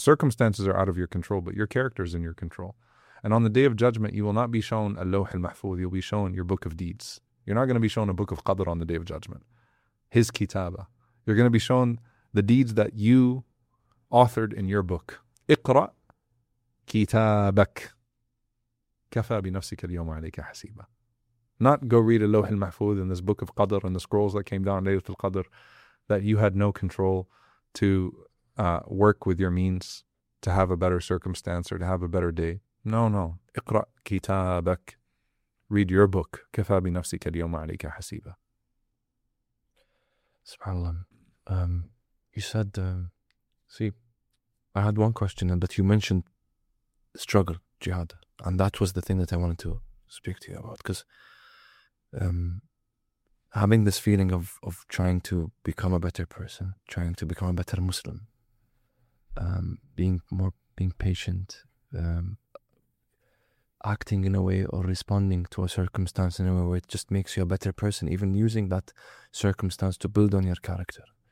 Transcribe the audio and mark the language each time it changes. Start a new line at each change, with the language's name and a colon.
English: The circumstances are out of your control, but your character is in your control. And on the day of judgment, you will not be shown a lawh al-mahfuz, you'll be shown your book of deeds. You're not going to be shown a book of qadr on the day of judgment, his kitabah. You're going to be shown the deeds that you authored in your book.
Arabic: اقرأ كتابك كفى بنفسك اليوم عليك حسيبا.
English: Not go read a lawh al-mahfuz in this book of qadr and the scrolls that came down Laylatul Qadr that you had no control to work with your means to have a better circumstance or to have a better day. No.
Arabic: اقرأ كتابك.
English: Read your book.
Arabic: كفى بنفسك اليوم عليك حسيبا. SubhanAllah.
English: You said, I had one question, but you mentioned struggle, jihad. And that was the thing that I wanted to speak to you about. Because having this feeling of trying to become a better person, trying to become a better Muslim, being patient, acting in a way or responding to a circumstance in a way where it just makes you a better person, even using that circumstance to build on your character.